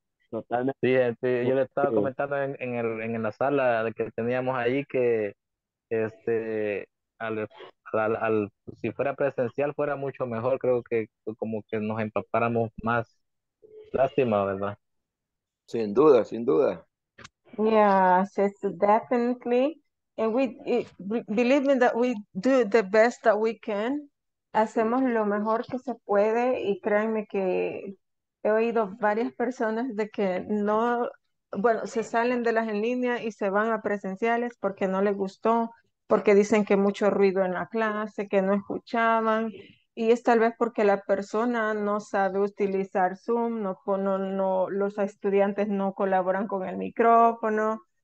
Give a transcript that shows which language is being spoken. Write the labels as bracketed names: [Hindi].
[Spanish] Totalmente. Sí, gente, yo le estaba comentando en la sala que teníamos ahí que al si fuera presencial fuera mucho mejor, creo que como que nos empapáramos más. Lástima, ¿verdad? Sin duda, sin duda. [English] Yes, it's definitely, and we believe in that we do the best that we can. [Spanish] Hacemos lo mejor que se puede, y créanme que he oído varias personas de que no, bueno, se salen de las en línea y se van a presenciales porque no les gustó, porque dicen que mucho ruido en la clase, que no escuchaban, y es tal vez porque la persona no sabe utilizar Zoom, no los estudiantes no colaboran con el micrófono.